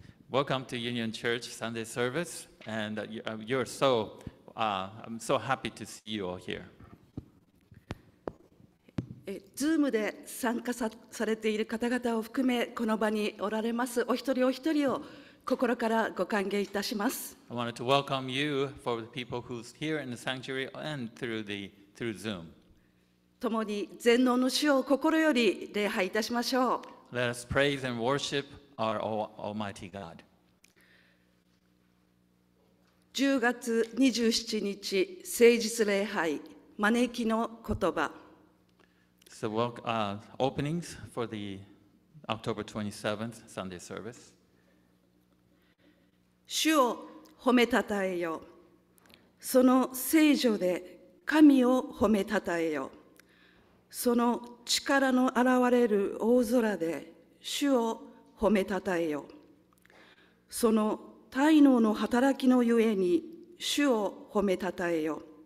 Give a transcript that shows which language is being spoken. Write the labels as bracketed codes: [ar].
[en] Welcome to Union Church Sunday service, and I'm so happy to see you all here. [ja] Zoom で参加されている方々を含め、この場におられますお一人お一人を心からご歓迎いたします。 [en] I wanted to welcome you for the people who's here in the sanctuary and through Zoom. [ja] 共に全能の主を心より礼拝いたしましょう。 [en] Let us praise and worship our Almighty God. [ja] 10月27日、聖日礼拝、招きの言葉。 [en] So openings for the October 27th Sunday service. [ja] 主を褒めたたえよ。その聖所で神を褒めたたえよ。その力の現れる大空で主を褒めたたえよ。その大能の働きのゆえに主を褒めたたえよ。